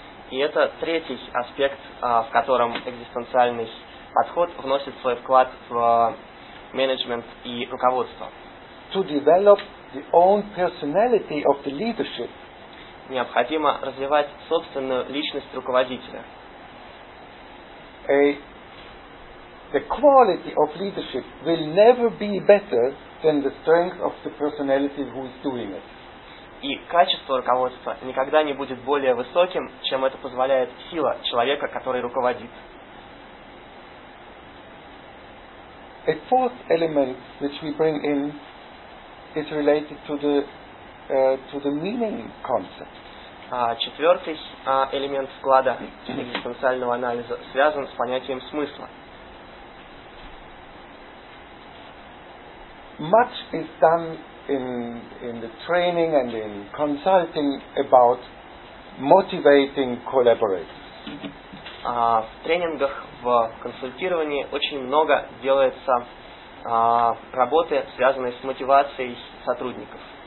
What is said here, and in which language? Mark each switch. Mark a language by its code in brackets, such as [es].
[ru] И это третий аспект, в котором экзистенциальный подход вносит свой вклад в менеджмент и руководство. [en] To develop the own personality of the leadership. [ru] Необходимо развивать собственную личность руководителя. [en] The quality of leadership will never be better than the strength of the personality who is doing it. [ru] И качество руководства никогда не будет более высоким, чем это позволяет сила человека, который руководит. [en] A fourth element which we bring in is related to the meaning concept. [ru] Четвертый элемент вклада экзистенциального анализа связан с понятием смысла. [en] much is done in the training and in consulting about motivating collaborators. [ru] В тренингах, в консультировании очень много делается работы, связанной с мотивацией сотрудников.